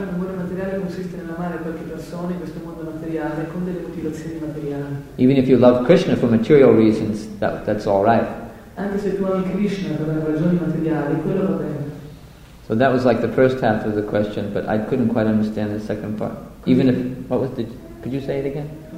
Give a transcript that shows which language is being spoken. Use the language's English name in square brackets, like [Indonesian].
[Italian] L'amore materiale consiste nell'amare qualche persona in questo mondo materiale con delle motivazioni materiali. [English] Even if you love Krishna for material reasons, that's all right. [Italian] Anche se tu ami Krishna per ragioni materiali, quello va bene. [English] So that was like the first half of the question, but I couldn't quite understand the second part. Even if, what was the, could you say it again?